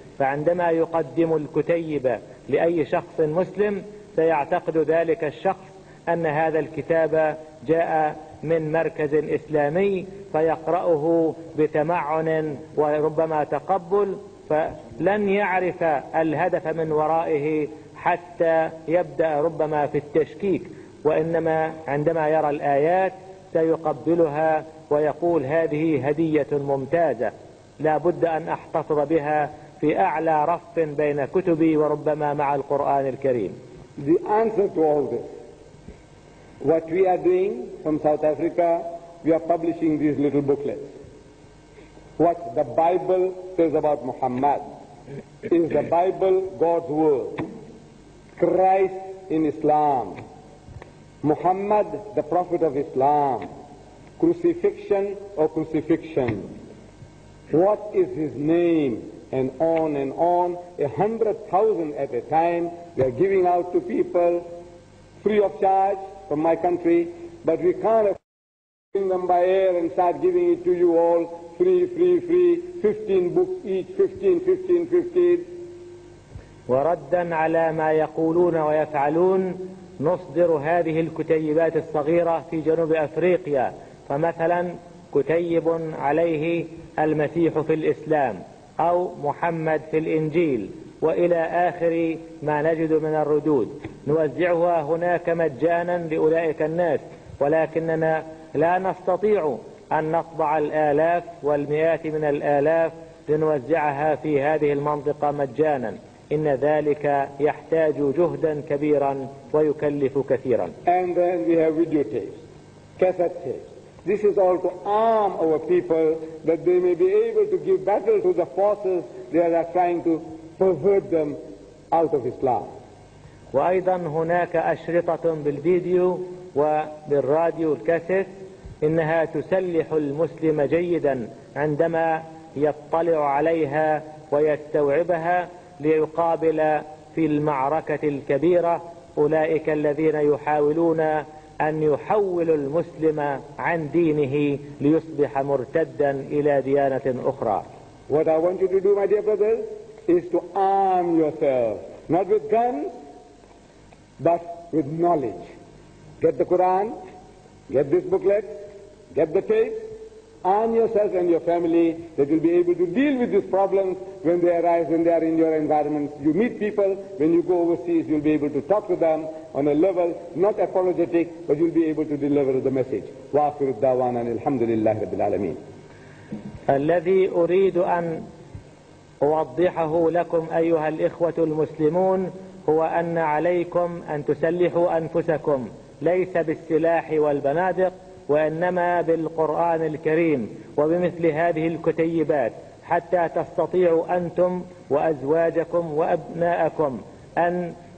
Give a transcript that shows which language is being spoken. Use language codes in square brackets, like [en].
[ar] فعندما يقدم الكتيب لأي شخص مسلم سيعتقد ذلك الشخص أن هذا الكتاب جاء من مركز إسلامي فيقرأه بتمعن وربما تقبل، فلن يعرف الهدف من ورائه حتى يبدأ ربما في التشكيك، وإنما عندما يرى الآيات سيقبلها ويقول هذه هدية ممتازة لا بد أن أحتفظ بها في أعلى رف بين كتبي وربما مع القرآن الكريم. [en] The answer to all this, what we are doing from South Africa, we are publishing these little booklets. What the Bible says about Muhammad is the Bible, God's word, Christ in Islam, Muhammad, the prophet of Islam, crucifixion or crucifixion, what is his name, and on, 100,000 at a time, we are giving out to people free of charge from my country, but we can't bring them by air and start giving it to you all free, 15 books each, 15. [ar] وردا على ما يقولون ويفعلون، نصدر هذه الكتيبات الصغيرة في جنوب أفريقيا، فمثلا كتيب عليه المسيح في الإسلام أو محمد في الإنجيل وإلى آخر ما نجد من الردود، نوزعها هناك مجانا لأولئك الناس، ولكننا لا نستطيع أن نطبع الآلاف والمئات من الآلاف لنوزعها في هذه المنطقة مجانا، إن ذلك يحتاج جهدا كبيرا ويكلف كثيرا. [en] And then we have video tapes, cassette tapes. This is all to arm our people that they may be able to give battle to the forces that are trying to pervert them out of Islam. [ar] وأيضا هناك أشرطة بالفيديو وبالراديو الكاسيت، إنها تسلح المسلم جيدا عندما يطلع عليها ويستوعبها ليقابل في المعركة الكبيرة أولئك الذين يحاولون أن يحول المسلم عن دينه ليصبح مرتدا إلى ديانة أخرى. [en] What I want you to do, my dear brothers, is to arm yourself, not with guns, but with knowledge. Get the Quran, get this booklet, get the tape, arm yourself and your family that you'll be able to deal with these problems when they arise, when they are in your environment. You meet people, when you go overseas, you'll be able to talk to them on a level, not apologetic, but you'll be able to deliver the message. [ar] وَآخِرُ الدَّوَانَ الْحَمْدُ لِلَّهِ رَبِّ الْعَالَمِينَ. الذي أريد أن أوضحه لكم أيها الإخوة المسلمون هو أن عليكم أن تسلحوا أنفسكم ليس بالسلاح والبنادق وإنما بالقرآن الكريم وبمثل هذه الكتيبات، حتى تستطيعوا أنتم وأزواجكم وأبناءكم أن